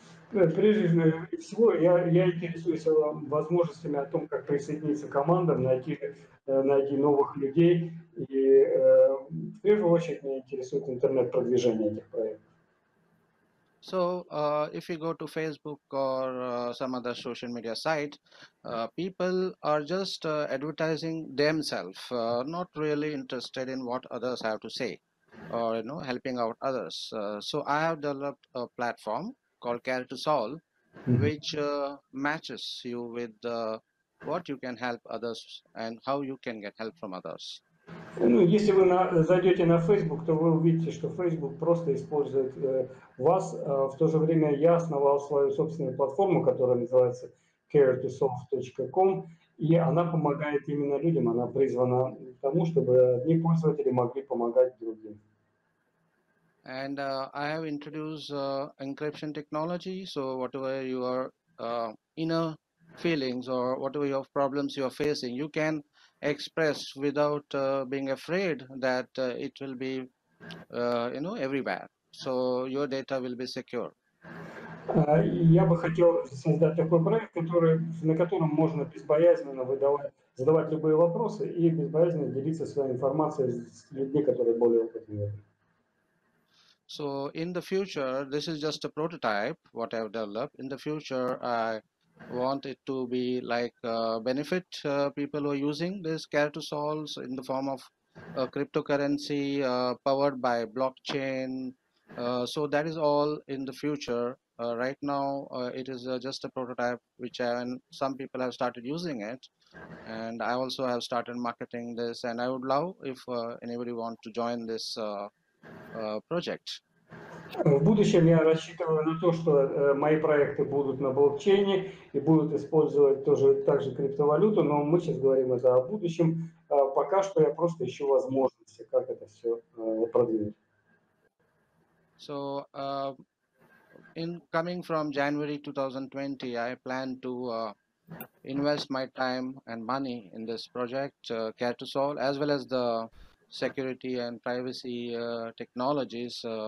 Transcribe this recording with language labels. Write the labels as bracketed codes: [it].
[ru] Прежде всего, я интересуюсь возможностями о том, как присоединиться к командам, найти новых людей. И в первую очередь меня интересует интернет-продвижение этих проектов. [en] So, if you go to Facebook or some other social media site, people are just advertising themselves, not really interested in what others have to say or, helping out others. So, I have developed a platform called Care to Solve, which matches you with the what you can help others and how you can get help from others. [ru] Ну, если вы зайдете на Facebook, то вы увидите, что Facebook просто использует вас. В то же время я основал свою собственную платформу, которая называется caretosolve.com, и она помогает именно людям, она призвана к тому, чтобы одни пользователи могли помогать другим. [en] And I have introduced encryption technology, so whatever your inner feelings or whatever your problems you are facing, you can express without being afraid that it will be you know, everywhere, so your data will be secure. [ru] Я бы хотел создать такой проект, на котором можно безбоязненно задавать любые вопросы и безбоязненно делиться своей информацией с людьми, которые более опытные. [en] So in the future, this is just a prototype what I've developed. In the future, I want it to be like benefit people who are using this care to solve in the form of a cryptocurrency powered by blockchain. So that is all in the future. Right now, it is just a prototype which some people have started using it. And I also have started marketing this, and I would love if anybody want to join this project. [ru] В будущем я рассчитываю на то, что мои проекты будут на блокчейне и будут использовать тоже также криптовалюту, но мы сейчас говорим это о будущем. Пока что я просто ищу возможности, как это все продвинуть. [en] So, in coming from January 2020, I plan to invest my time and money in this project, Care to Solve, as well as the security and privacy technologies.